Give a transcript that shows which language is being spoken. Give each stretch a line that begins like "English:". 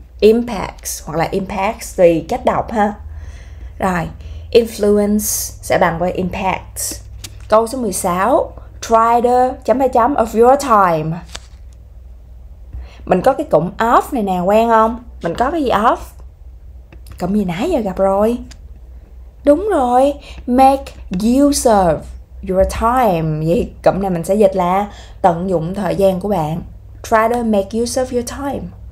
Vietnamese: Impacts hoặc là impacts tùy cách đọc ha. Rồi, influence sẽ bằng với impacts. Câu số 16,
English: try the ... of your time.
Vietnamese: Mình có cái cụm of này nè, quen không? Mình có cái gì of? Cụm gì nãy giờ gặp rồi. Đúng rồi,
English: make use of your time.
Vietnamese: Vậy cụm này mình sẽ dịch là tận dụng thời gian của bạn.
English: Try to make use of your time.